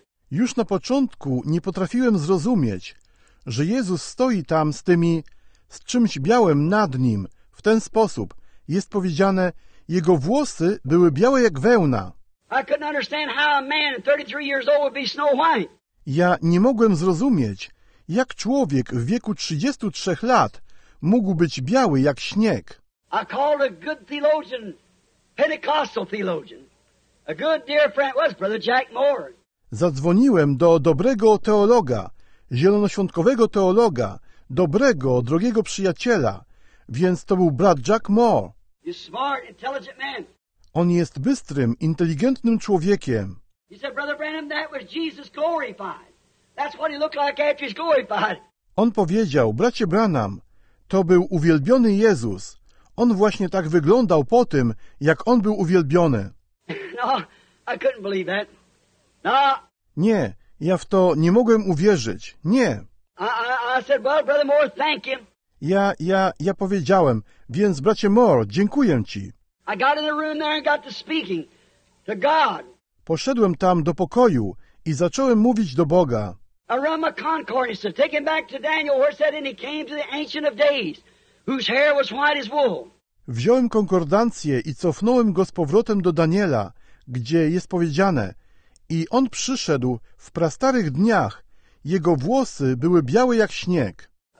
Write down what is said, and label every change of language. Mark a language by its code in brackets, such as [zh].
[pl] Już na początku nie potrafiłem zrozumieć, że Jezus stoi tam z tymi, z czymś białym nad Nim. W ten sposób jest powiedziane, Jego włosy były białe jak wełna. [en] I couldn't understand how a man 33 years old would be snow white. [pl] Ja nie mogłem zrozumieć, jak człowiek w wieku 33 lat mógł być biały jak śnieg. [en] I called a good theologian, Pentecostal theologian, a good dear friend was Brother Jack Moore. [pl] Zadzwoniłem do dobrego teologa, zielonoświątkowego teologa, dobrego, drogiego przyjaciela, więc to był brat Jack Moore. [en] You smart, intelligent man. [pl] On jest bystrym, inteligentnym człowiekiem. [en] He said, Brother Branham, that was Jesus glorified. That's what he looked like after he's glorified. [pl] On powiedział, bracie Branham, to był uwielbiony Jezus. On właśnie tak wyglądał po tym, jak on był uwielbiony. [en] No, I couldn't believe that. [pl] No. Nie, ja w to nie mogłem uwierzyć. Nie. [en] I said, well, Brother Moore, thank you. [pl] Ja powiedziałem, więc bracie Moore, dziękuję ci. [en] I got in the room there and got to speaking to God. [pl] Poszedłem tam do pokoju i zacząłem mówić do Boga. [en] Aroma concordance to take him back to Daniel where said and he came to the Ancient of Days, whose hair was white as wool. [pl] Wziąłem konkordancję i cofnąłem go z powrotem do Daniela, gdzie jest powiedziane, i on przyszedł w prastarych dniach, jego włosy były białe jak śnieg.